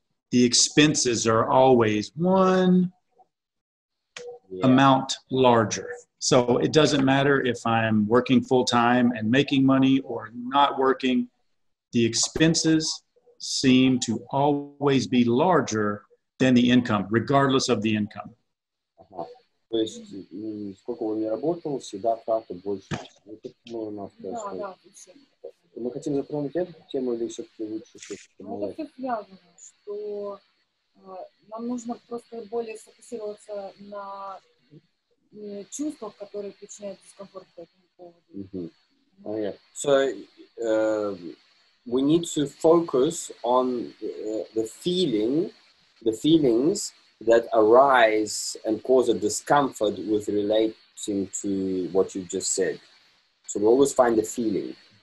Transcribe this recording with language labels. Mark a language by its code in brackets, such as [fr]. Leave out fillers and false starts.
[en] The expenses are always one amount larger. So it doesn't matter if I'm working full-time and making money or not working. The expenses seem to always be larger than the income, regardless of the income. [ru] То есть, сколько бы он ни работал, всегда трата больше. Вот это, ну, у нас, да, да, мы хотим затронуть эту тему или все-таки лучше? Все-таки, ну, это связано, что нам нужно просто более сфокусироваться на чувствах, которые причиняют дискомфорт по этому поводу. [en] Mm-hmm. Oh, yeah. So, we need to focus on the feelings that arise and cause a discomfort with relating to what you just said. So we always find the feeling.